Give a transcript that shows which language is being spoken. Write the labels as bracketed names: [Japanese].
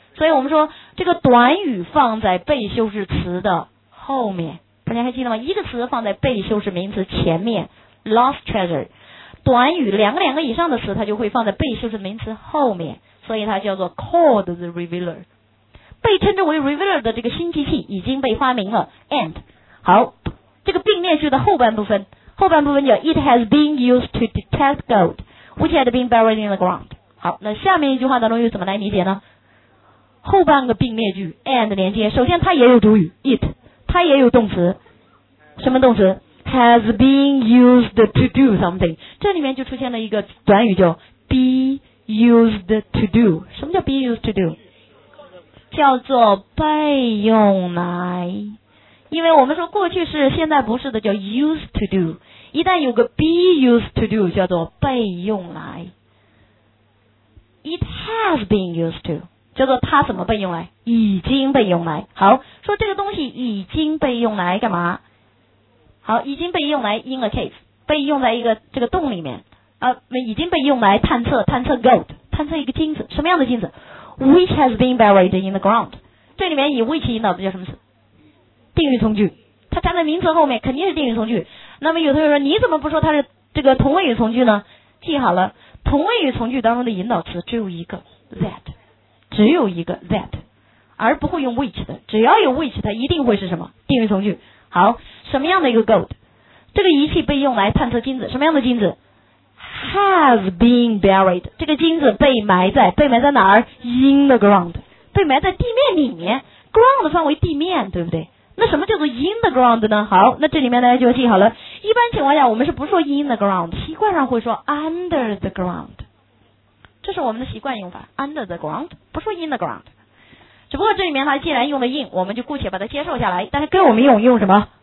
[Chinese] 所以我们说这个短语放在被修饰词的后面，大家还记得吗？一个词放在被修饰名词前面 [English] lost treasure， [Chinese] 短语两个以上的词它就会放在被修饰名词后面，所以它叫做 [English] called the revealer， [Chinese] 被称之为 revealer 的这个新机器已经被发明了。 [English] and [Chinese] 好，这个并列句的后半部分，后半部分叫 [English] It has been used to detect gold which had been buried in the ground。 [Chinese] 好，那下面一句话当中又怎么来理解呢？后半个并列句 and 连接，首先它也有主语 it， 它也有动词，什么动词？ [English] has been used to do something， [Chinese] 这里面就出现了一个短语叫 [English] be used to do。 [Chinese] 什么叫 [English] be used to do？ [Chinese] 叫做被用来，因为我们说过去是现在不是的叫 [English] used to do， [Chinese] 一旦有个 [English] be used to do [Chinese] 叫做被用来。 [English] It has been used to [Chinese] 叫做它怎么被用来？已经被用来。好，说这个东西已经被用来干嘛？好，已经被用来 [English] in a case， [Chinese] 被用在一个这个洞里面，已经被用来探测 gold， 探测一个金子，什么样的金子？ [English] which has been buried in the ground， [Chinese] 这里面以 which 引导的叫什么词？定语从句，它站在名词后面肯定是定语从句。那么有同学说你怎么不说它是这个同位语从句呢？记好了，同位语从句当中的引导词只有一个 that， 只有一个 that， 而不会用 which 的，只要有 which 它一定会是什么？定语从句。好，什么样的一个 gold？ 这个仪器被用来探测金子，什么样的金子？ [English] has been buried. [Chinese] 这个金子被埋在，被埋在哪儿？ [English] In the ground. [Chinese] 被埋在地面里面。 Ground 范围地面，对不对？那什么叫做 [English] in the ground [Chinese] 呢？好，那这里面大家就记好了。一般情况下我们是不说 [English] in the ground， [Chinese] 习惯上会说 [English] under the ground。 [Chinese] 这是我们的习惯用法， [English] under the ground， [Chinese] 不说 [English] in the ground。 [Chinese] 只不过这里面它既然用了 in， 我们就姑且把它接受下来，但是跟我们用什么？